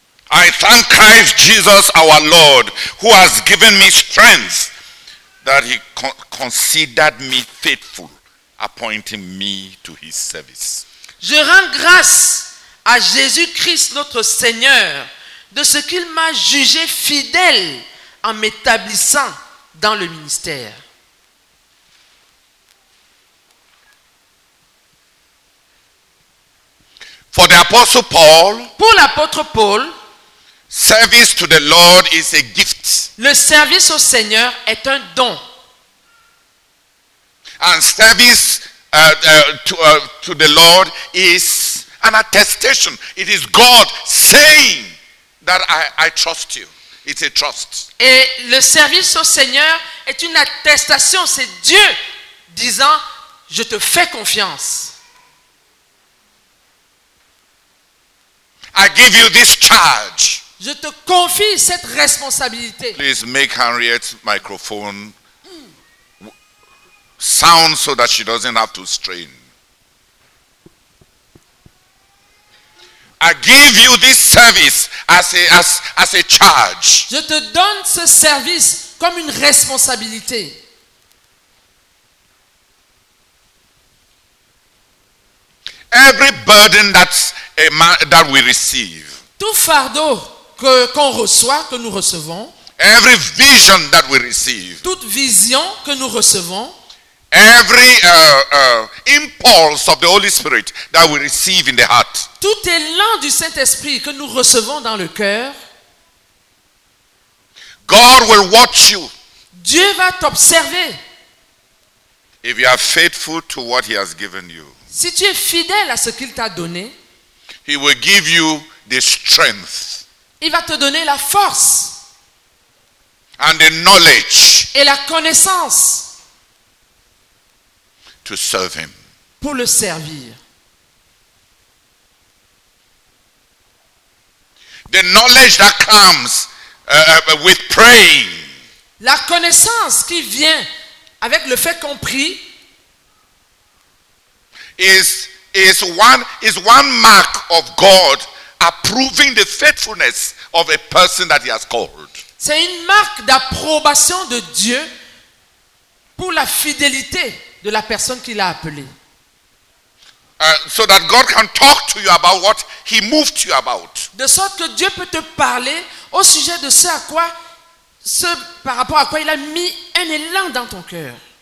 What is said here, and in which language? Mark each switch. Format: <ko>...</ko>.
<en>I thank Christ Jesus our Lord who has given me strength that he considered me faithful, appointing me to his service.</en> <fr>Je rends grâce à Jésus-Christ notre Seigneur de ce qu'il m'a jugé fidèle en m'établissant dans le ministère.</fr> <en>For the apostle Paul,</en> <fr>pour l'apôtre Paul,</fr> <en>service to the Lord is a gift.</en> <fr>Le service au Seigneur est un don.</fr> <en>And service to the Lord is an attestation. It is God saying that I trust you. It's a trust.</en> <fr>Et le service au Seigneur est une attestation. C'est Dieu disant, je te fais confiance.</fr> <en>I give you this charge.</en> <fr>Je te confie cette responsabilité.</fr> <en>Please make Henriette's microphone sound so that she doesn't have to strain. I give you this service as a charge.</en> <fr>Je te donne ce service comme une responsabilité.</fr> <en>Every burden that that we receive.</en> <fr>Tout fardeau qu'on reçoit, que nous recevons.</fr> <en>Every vision that we receive.</en> <fr>Toute vision que nous recevons.</fr> <en>Every impulse impulse of the Holy Spirit that we receive in the heart.</en> <fr>Tout élan du Saint-Esprit que nous recevons dans le cœur.</fr> <en>God will watch you.</en> <fr>Dieu va t'observer.</fr> <en>If you are faithful to what he has given you.</en> <fr>Si tu es fidèle à ce qu'il t'a donné.</fr> <en>He will give you the strength.</en> <fr>Il va te donner la force.</fr> <en>And the knowledge.</en> <fr>Et la connaissance.</fr> <en>To serve him.</en> <fr>Pour le servir.</fr> <en>The knowledge that comes with praying.</en> <fr>La connaissance qui vient avec le fait qu'on prie.</fr> <en>Is one mark of God approving the faithfulness of a person that he has called.</en> <fr>C'est une marque d'approbation de Dieu pour la fidélité de la personne qu'il a appelée.</fr> <en>So that God can talk to you about what he moved you about.</en> <fr>De sorte que Dieu peut te parler au sujet de ce à quoi, ce par rapport à quoi il a mis un élan dans ton cœur.</fr>